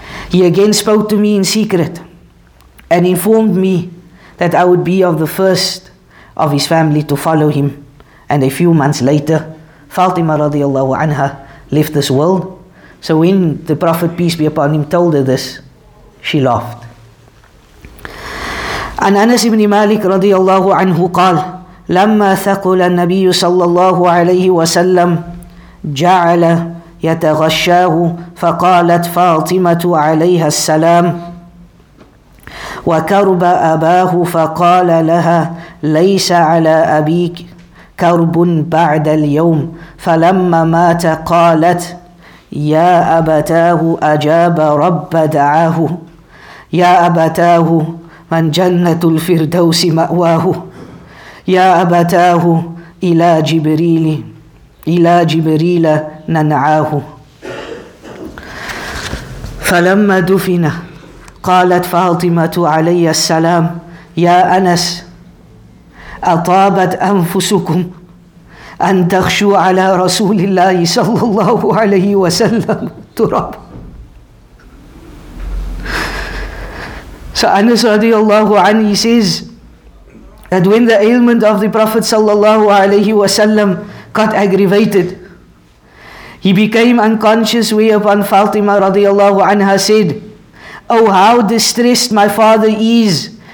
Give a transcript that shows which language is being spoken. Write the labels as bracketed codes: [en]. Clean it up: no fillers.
[en] He again spoke to me in secret and informed me that I would be of the first of his family to follow him. And a few months later, Fatima radiallahu anha left this world. So when the Prophet, peace be upon him, told her this, she laughed. [ar] An Anas ibn Malik radiallahu anhu qal, لما ثقل النبي صلى الله عليه وسلم جعل يتغشاه فقالت فاطمة عليها السلام وكرب أباه فقال لها ليس على أبيك كرب بعد اليوم فلما مات قالت يا أبتاه أجاب رب دعاه يا أبتاه من جنة الفردوس مأواه يا أبتاه إلى جبريل إلى جبريل ننعاه فلما دفن قالت فاطمة علي السلام يا أنس أطابت أنفسكم أن تخشوا على رسول الله صلى الله عليه وسلم تراب. [en] So Anas radiallahu anhu, he says that when the ailment of the Prophet sallallahu alayhi wasallam got aggravated, he became unconscious, whereupon Fatima radiallahu anha said, oh, how distressed my father is.